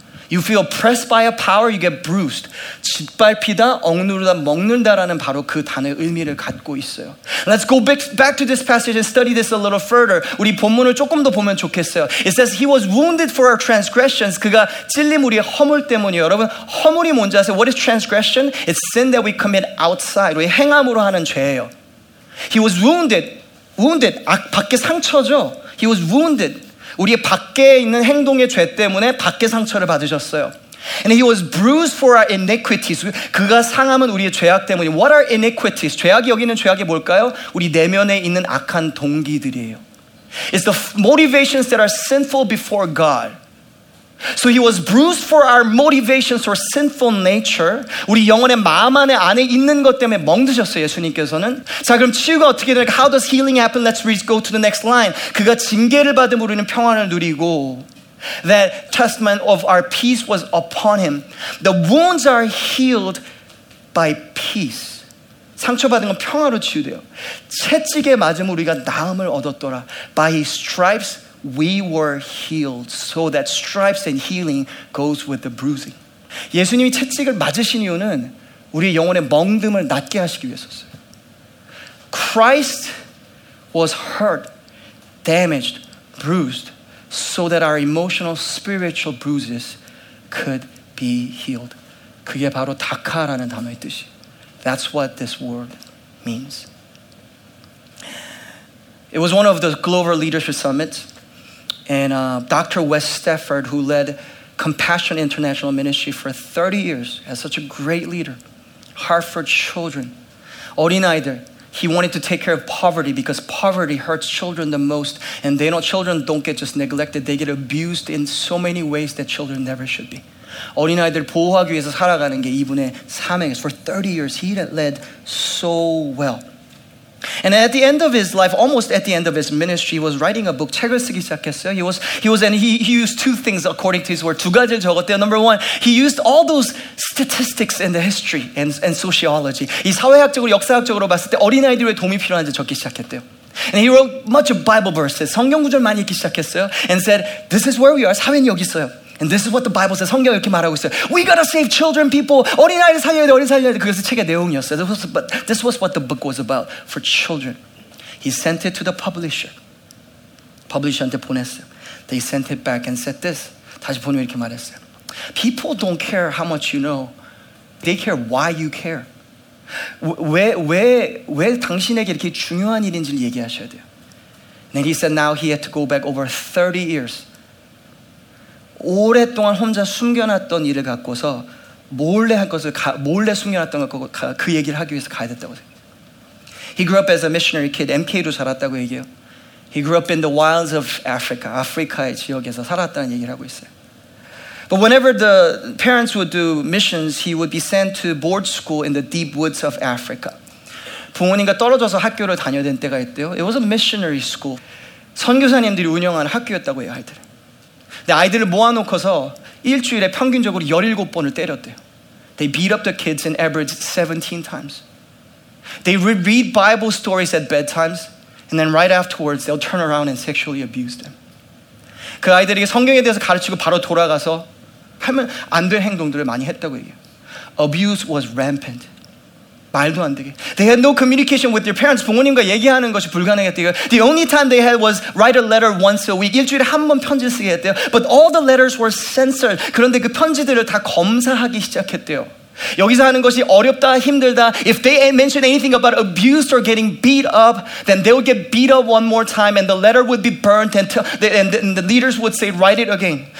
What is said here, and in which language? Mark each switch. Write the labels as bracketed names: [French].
[English] You feel oppressed by a power, you get bruised. [Korean] 짓밟히다, 억누르다, 먹는다라는 바로 그 단어의 의미를 갖고 있어요. [English] Let's go back to this passage and study this a little further. [Korean] 우리 본문을 조금 더 보면 좋겠어요. [English] It says, he was wounded for our transgressions. [Korean] 그가 찔림 우리의 허물 때문이에요. 여러분, 허물이 뭔지 아세요? [English] What is transgression? It's sin that we commit outside. [Korean] 우리 행함으로 하는 죄예요. [English] He was wounded. Wounded. [Korean] 밖에 상처죠? [English] He was wounded. [Korean] 우리의 밖에 있는 행동의 죄 때문에 밖에 상처를 받으셨어요. [English] And he was bruised for our iniquities. [Korean] 그가 상함은 우리의 죄악 때문이에요. [English] What are iniquities? [Korean] 죄악이 여기 있는 죄악이 뭘까요? 우리 내면에 있는 악한 동기들이에요. [English] It's the motivations that are sinful before God. So he was bruised for our motivations or sinful nature. [Korean] 우리 영혼의 마음 안에 있는 것 때문에 멍드셨어요, 예수님께서는. 자, 그럼 치유가 어떻게 될까? [English] How does healing happen? Let's go to the next line. [Korean] 그가 징계를 받음으로 우리는 평안을 누리고 [English] that testament of our peace was upon him. The wounds are healed by peace. [Korean] 상처받은 건 평화로 치유돼요. 채찍에 맞음 우리가 나음을 얻었더라. [English] By his stripes we were healed so that stripes and healing goes with the bruising. [Korean] 예수님이 채찍을 맞으신 이유는 우리의 영혼의 멍듦을 낫게 하시기 위해서였어요. [English] Christ was hurt, damaged, bruised, so that our emotional, spiritual bruises could be healed. [Korean] 그게 바로 다카라는 단어의 뜻이. [English] That's what this word means. It was one of the global leadership summits, and Dr. Wes Stafford, who led Compassion International Ministry for 30 years as such a great leader, Hartford children, [Korean] 어린아이들, [English] he wanted to take care of poverty because poverty hurts children the most, and they know children don't get just neglected, they get abused in so many ways that children never should be. [Korean] 어린아이들 보호하기 위해서 살아가는 게 이분의 사명이에요. [English] For 30 years, he led so well. And at the end of his life, almost at the end of his ministry, he was writing a book. [Korean] 책을 쓰기 시작했어요. [English] He used two things according to his word. [Korean] 두 가지를 적었대요. [English] Number one, he used all those statistics in the history and sociology. [Korean] 이 사회학적으로 역사학적으로 봤을 때 어린아이들의 도움이 필요한지 적기 시작했대요. [English] And he wrote much of Bible verses. [Korean] 성경 구절 많이 읽기 시작했어요. [English] And said, this is where we are. [Korean] 사회는 여기 있어요. [English] And this is what the Bible says. [Korean] 성경이 이렇게 말하고 있어요. [English] We gotta save children, people. [Korean] 어린아이를 살려야 돼, 어린 살려야 돼. 그것이 책의 내용이었어요. [English] This was what the book was about for children. He sent it to the publisher. [Korean] 퍼블리셔한테 보냈어요. [English] They sent it back and said this. [Korean] 다시 보내면 이렇게 말했어요. [English] People don't care how much you know. They care why you care. [Korean] 왜 당신에게 이렇게 중요한 일인지를 얘기하셔야 돼요. [English] And he said now he had to go back over 30 years. [Korean] 오랫동안 혼자 숨겨놨던 일을 갖고서 몰래 숨겨놨던 것 갖고 그 얘기를 하기 위해서 가야 됐다고 해요. [English] He grew up as a missionary kid. [Korean] MK로 자랐다고 얘기해요. [English] He grew up in the wilds of Africa. [Korean] 아프리카의 지역에서 살았다는 얘기를 하고 있어요. [English] But whenever the parents would do missions, he would be sent to board school in the deep woods of Africa. [Korean] 부모님과 떨어져서 학교를 다녀야 된 때가 있대요. [English] It was a missionary school. [Korean] 선교사님들이 운영하는 학교였다고 해요, 아이들은. 근데 아이들을 모아놓고서 일주일에 평균적으로 17번을 때렸대요. [English] They beat up the kids in average 17 times. They read Bible stories at bedtimes, and then right afterwards, they'll turn around and sexually abuse them. [Korean] 그 아이들에게 성경에 대해서 가르치고 바로 돌아가서 하면 안 될 행동들을 많이 했다고 얘기해요. [English] Abuse was rampant. [Korean] 말도 안 되게. [English] They had no communication with their parents. [Korean] 부모님과 얘기하는 것이 불가능했대요. [English] The only time they had was write a letter once a week. [Korean] 일주일에 한 번 편지 쓰게 했대요. [English] But all the letters were censored. [Korean] 그런데 그 편지들을 다 검사하기 시작했대요. 여기서 하는 것이 어렵다, 힘들다. [English] If they mention anything about abuse or getting beat up, then they would get beat up one more time and the letter would be burnt and the leaders would say write it again.